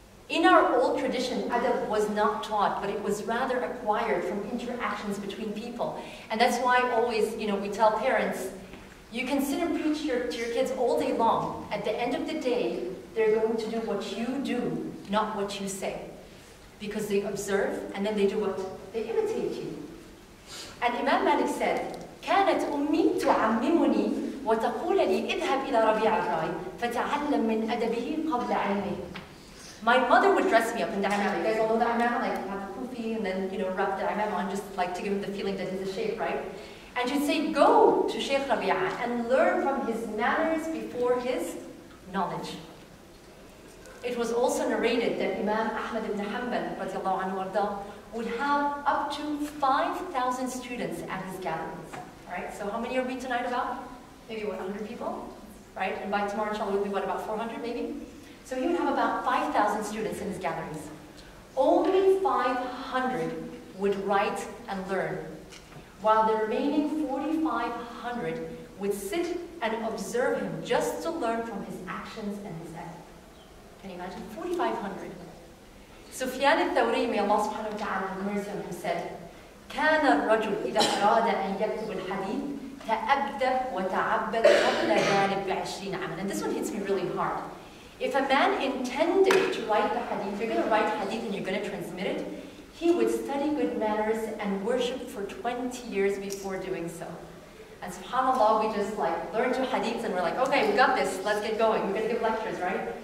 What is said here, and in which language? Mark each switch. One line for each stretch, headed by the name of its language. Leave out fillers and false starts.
English: In our old tradition, adab was not taught, but it was rather acquired from interactions between people. And that's why always, you know, we tell parents, you can sit and preach to your kids all day long. At the end of the day, they're going to do what you do, not what you say. Because they observe, and then they do what? They imitate you.
Arabic: And Imam Malik said, كانت أمي تعممني وتقول لي اذهب إلى ربيع الراي فتعلم من أدبه قبل علمه.
English: My mother would dress me up in da'amama. You guys all know da'amama? Like, have a poofy and then, you know, wrap da'amama on just like to give him the feeling that he's a sheikh, right? And she'd say, go to Sheikh Rabi'ah and learn from his manners before his knowledge. It was also narrated that Imam Ahmad ibn Hanbal, radiallahu anhu arda, would have up to 5,000 students at his gatherings. Right? So how many are we tonight about? Maybe 100 people, right? And by tomorrow, inshallah, we'll be, what, about 400 maybe? So he would have about 5,000 students in his gatherings. Only 500 would write and learn, while the remaining 4,500 would sit and observe him just to learn from his actions and his ethic. Can you imagine? 4,500.
Arabic: Sufyan al-Thawri, may Allah subhanahu wa ta'ala have mercy on him, said, كان الرجل إذا أراد أن يكتب الحديث تأبده وتعبد قبل جانب بعشرين عملا.
English: And this one hits me really hard. If a man intended to write the hadith, you're going to write hadith and you're going to transmit it, he would study good manners and worship for 20 years before doing so. And subhanAllah, we just like learn to hadith and we're like, okay, we got this, let's get going. We're going to give lectures, right?